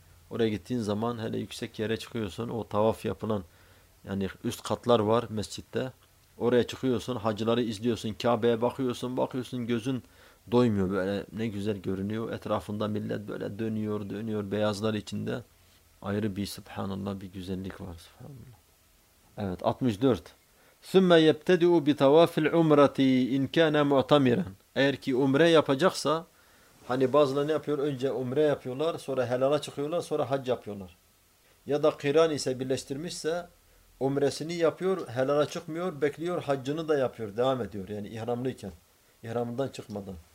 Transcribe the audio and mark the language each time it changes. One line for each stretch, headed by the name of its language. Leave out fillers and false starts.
Turkish: Oraya gittiğin zaman hele yüksek yere çıkıyorsun. O tavaf yapılan yani üst katlar var mescitte. Oraya çıkıyorsun, hacıları izliyorsun. Kabe'ye bakıyorsun, bakıyorsun gözün doymuyor böyle. Ne güzel görünüyor. Etrafında millet böyle dönüyor, dönüyor beyazlar içinde. Ayrı bir subhanallah bir güzellik var. Subhanallah. Evet, 64.
Arabic: ثم يبتدئ بطواف العمرة إن كان معتمرا.
Turkish: Eğer ki umre yapacaksa, hani bazıları ne yapıyor? Önce umre yapıyorlar, sonra helala çıkıyorlar, sonra hac yapıyorlar. Ya da kıran ise birleştirmişse umresini yapıyor, helala çıkmıyor, bekliyor, haccını da yapıyor, devam ediyor yani ihramlıyken, ihramından çıkmadan.